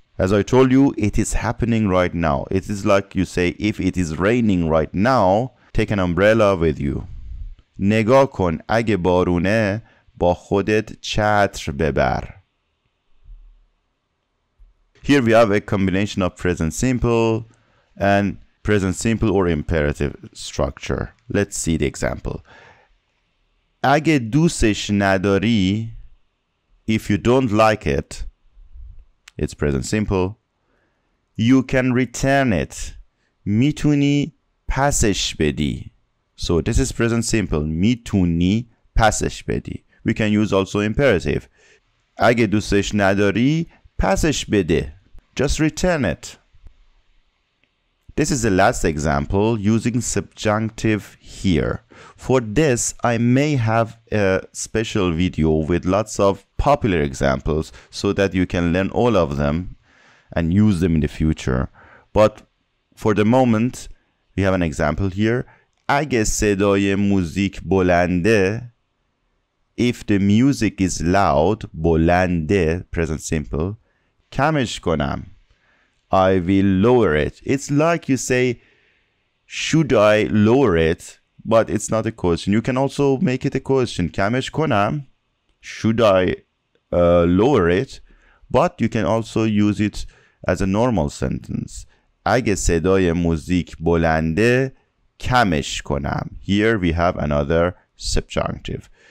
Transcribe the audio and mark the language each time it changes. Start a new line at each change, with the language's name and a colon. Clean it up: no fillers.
English: As I told you, it is happening right now. It is like you say, if it is raining right now, take an umbrella with you.
Persian: نگاه کن اگه بارونه, با خودت چتر ببر.
English: Here we have a combination of present simple and present simple or imperative structure. Let's see the example.
Persian: اگه دوستش نداری,
English: if you don't like it, it's present simple, you can return it.
Persian: میتونی پسش بدی.
English: So this is present simple.
Persian: میتونی پسش بدی.
English: We can use also imperative.
Persian: اگه دوستش نداری, پسش بده.
English: Just return it. This is the last example using subjunctive here. For this, I may have a special video with lots of popular examples so that you can learn all of them and use them in the future. But for the moment, we have an example here.
Persian: اگه صدای موزیک بلنده,
English: if the music is loud,
Persian: بلنده, present simple, کمش کنم.
English: I will lower it. It's like you say, should I lower it? But it's not a question. You can also make it a question.
Persian: کمش کنم.
English: Should I lower it? But you can also use it as a normal sentence.
Persian: اگه صدای موزیک بلنده کمش کنم.
English: Here we have another subjunctive.